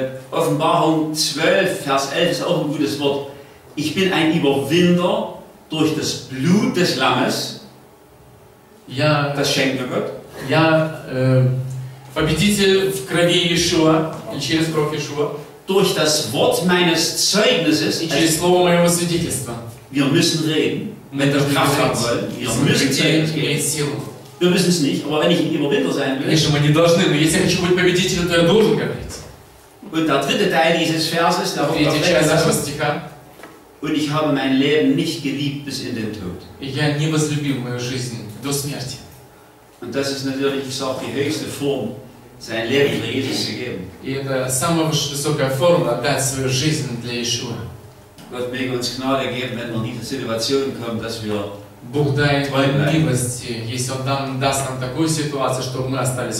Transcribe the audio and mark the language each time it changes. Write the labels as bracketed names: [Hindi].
[German] Offenbarung 12, Vers 11 ist auch ein gutes Wort. Ich bin ein Überwinder durch das Blut des Lammes. Ja, das schenkt mir Gott. [Russian] Ja, победитель в крови Иешуа, через кровь Иешуа. [German] Durch das Wort meines Zeugnisses. [Russian] Ich через слово моего свидетельства. [German] Wir müssen reden, wenn wir Kraft haben wollen. Wir müssen es nicht, aber wenn ich ein Überwinder sein will. [Russian] Конечно, мы не должны, но если я хочу быть победителем, то я должен говорить. [German] Und der dritte Teil dieses Verses, der dritte Teil dieses Verses. Und ich habe mein Leben nicht geliebt bis in den Tod. [Russian] Я не возлюбил мою жизнь до смерти. [German] Und das ist natürlich auch die höchste Form, sein Leben für Jesus zu geben. [Russian] И это самая высокая форма отдать свою жизнь для Иешуа. [German] Gott möge uns Gnade geben, wenn wir in diese Situation kommen, dass wir [Russian] Бог дает милости, если Он нам, даст нам такую ситуацию, чтобы мы остались